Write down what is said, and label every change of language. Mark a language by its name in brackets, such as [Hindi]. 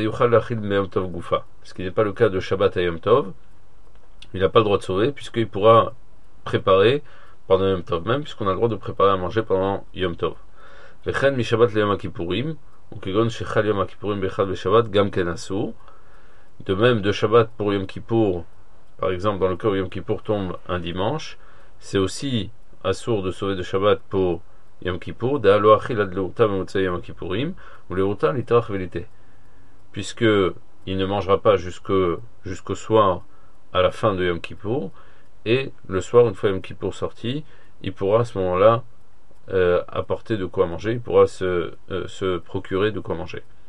[French] Ce qui n'est pas le cas de Shabbat à Yom Tov, il n'a pas le droit de sauver puisqu'il pourra préparer pendant Yom Tov même, puisqu'on a le droit de préparer à manger pendant Yom Tov. [Hebrew] וכן משבת ליום הכיפורים, וכגון שחל יום הכיפורים באחד בשבת, גם כן אסור. [French] De même, de Shabbat pour Yom Kippour, par exemple dans le cas où Yom Kippour tombe un dimanche, c'est aussi assur de sauver de Shabbat pour Yom Kippour, d'Aloachil ad Leurta Memotzei Yom Kippourim, ou Leurta Litrach Velite, puisqu'il ne mangera pas jusqu'au soir à la fin de Yom Kippour, et le soir, une fois Yom Kippour sorti, il pourra à ce moment-là apporter de quoi manger, il pourra se procurer de quoi manger.